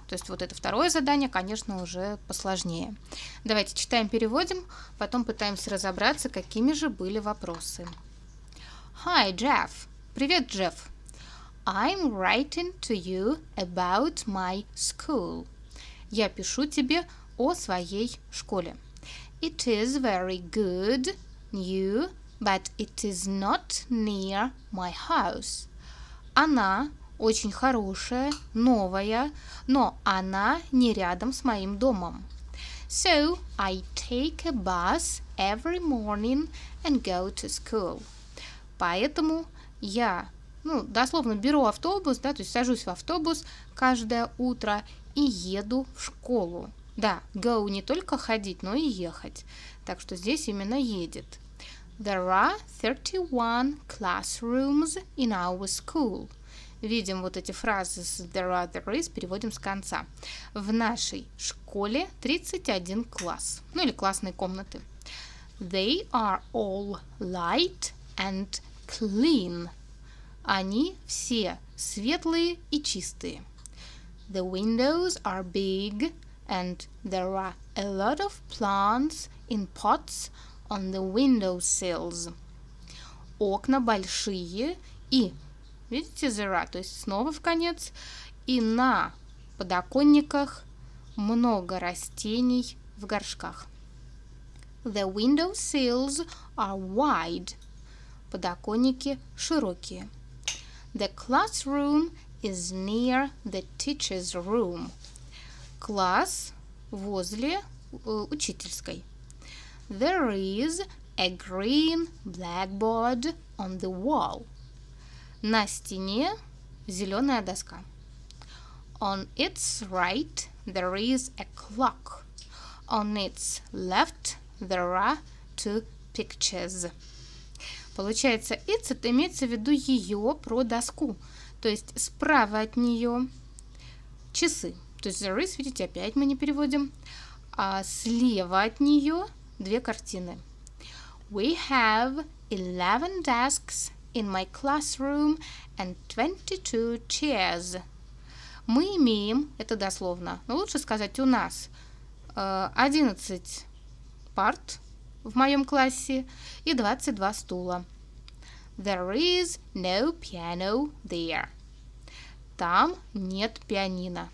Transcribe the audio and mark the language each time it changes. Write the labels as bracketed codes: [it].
[ru] То есть вот это второе задание, конечно, уже посложнее. Давайте читаем, переводим, потом пытаемся разобраться, какими же были вопросы. [en] Hi, Jeff. [ru] Привет, Джефф. [en] I'm writing to you about my school. [ru] Я пишу тебе о своей школе. [en] It is very good, new, but it is not near my house. [ru] Она очень хорошая, новая, но она не рядом с моим домом. [en] So I take a bus every morning and go to school. [ru] Поэтому я, дословно беру автобус, да, то есть сажусь в автобус каждое утро и еду в школу. Да, go не только ходить, но и ехать. Так что здесь именно едет. [en] There are 31 classrooms in our school. [ru] Видим вот эти фразы с there are, there is, переводим с конца. В нашей школе 31 класс, или классные комнаты. [en] They are all light and clean. [ru] Они все светлые и чистые. [en] The windows are big and there are a lot of plants in pots on the windowsills. [ru] Окна большие и, видите, there are, то есть снова в конец, и на подоконниках много растений в горшках. [en] The windowsills are wide. [ru] Подоконники широкие. [en] The classroom is near the teacher's room. [ru] Класс возле учительской. [en] There is a green blackboard on the wall. [ru] На стене зеленая доска. [en] On its right there is a clock. On its left there are two pictures. [ru] Получается, its, это имеется в виду ее про доску. То есть справа от нее часы. То есть there is, видите, опять мы не переводим. А слева от нее две картины. [en] We have 11 desks in my classroom and 22 chairs. [ru] Мы имеем, это дословно, но лучше сказать у нас 11 парт в моем классе и 22 стула. [en] There is no piano there. [ru] Там нет пианино.